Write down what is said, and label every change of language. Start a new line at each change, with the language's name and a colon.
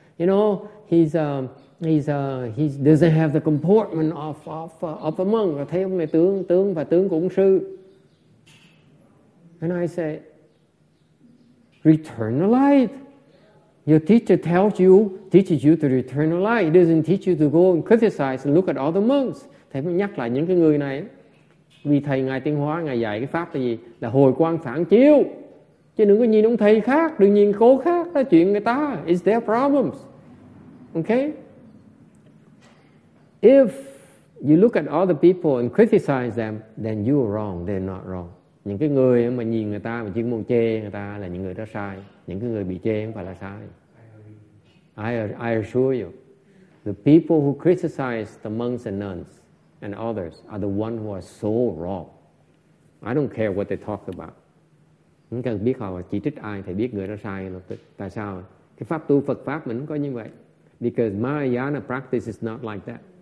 English: You know, he doesn't have the comportment of a monk.
Vietnamese: Thấy ông này tướng và tướng cũng sư.
English: And I say, return the light. Your teacher teaches you to return the light. He doesn't teach you to go and criticize and look at all the monks.
Vietnamese: Thầy mới nhắc lại những cái người này. Vì thầy Ngài Tiên Hóa, Ngài dạy cái pháp là gì? Là hồi quang phản chiếu. Chứ đừng có nhìn ông thầy khác, đừng nhìn cô khác, là chuyện người ta.
English: It's their problems. Okay? If you look at other people and criticize them, then you are wrong, they're not wrong.
Vietnamese: Những cái người mà nhìn người ta mà chỉ muốn chê người ta là những người đó sai. Những cái người bị chê không phải là sai.
English: I assure you, the people who criticize the monks and nuns, and others are the ones who are so wrong. I don't care what they talk about.
Vietnamese: Không cần biết họ chỉ trích ai, thầy biết người đó sai là tại sao. Cái pháp tu Phật pháp mình có như vậy.
English: Because Mahayana practice is not like that.